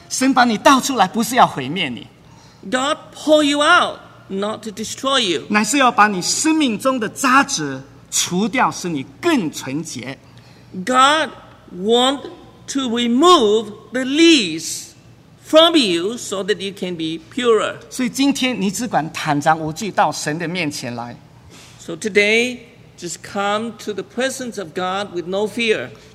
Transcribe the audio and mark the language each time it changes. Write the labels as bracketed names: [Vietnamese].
[Chinese] 神把你倒出来，不是要毁灭你。 [English] God pull you out, not to destroy you. [Chinese] 乃是要把你生命中的渣滓除掉，使你更纯洁。 [English] God want to remove the lees from you so that you can be purer. [Chinese] 所以今天你只管坦然无惧到神的面前来。 [English] So today, just come to the presence of God with no fear.